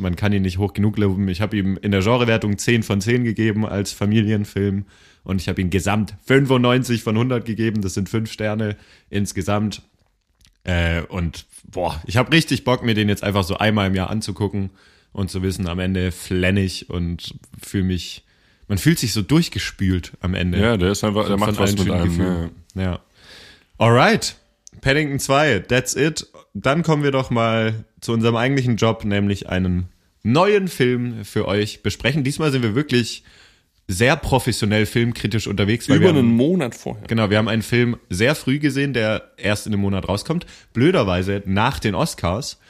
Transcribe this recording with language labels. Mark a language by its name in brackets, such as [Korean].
[German] Man kann ihn nicht hoch genug loben. Ich habe ihm in der Genrewertung 10 von 10 gegeben als Familienfilm und ich habe ihm gesamt 95 von 100 gegeben. Das sind 5 Sterne insgesamt. Und boah, ich habe richtig Bock, mir den jetzt einfach so einmal im Jahr anzugucken und zu wissen, am Ende flenne ich und fühle mich, man fühlt sich so durchgespült am Ende. Ja, der ist einfach, der macht was mit einem. Gefühl. Ja. [English] Alright, Paddington 2, that's it. [German] Dann kommen wir doch mal zu unserem eigentlichen Job, nämlich einen neuen Film für euch besprechen. Diesmal sind wir wirklich sehr professionell filmkritisch unterwegs. Weil Monat vorher. Genau, wir haben einen Film sehr früh gesehen, der erst in einem Monat rauskommt. Blöderweise nach den Oscars.